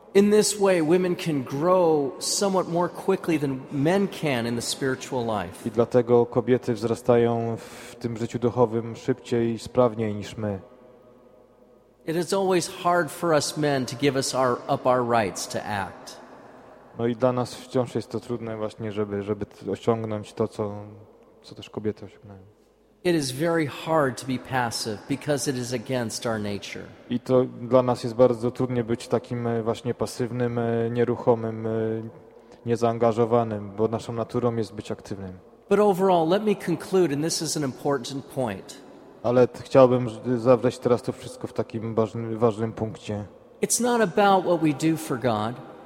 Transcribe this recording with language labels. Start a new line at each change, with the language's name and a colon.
English: In this way, women can grow somewhat more quickly than men can in the spiritual life.
Polish: I dlatego kobiety wzrastają w tym życiu duchowym szybciej i sprawniej niż my.
English: It is always hard for us men to give us up our rights to act.
Polish: No i dla nas wciąż jest to trudne właśnie, żeby osiągnąć to, co też kobiety osiągnęły.
English: It is very hard to be passive because it is against our nature.
Polish: I to dla nas jest bardzo trudne być takim właśnie pasywnym, nieruchomym, niezaangażowanym, bo naszą naturą jest być aktywnym.
English: But overall, let me conclude, and this is an important point.
Polish: Ale chciałbym zawrzeć teraz to wszystko w takim ważnym punkcie.
English: It's not about what we do for God.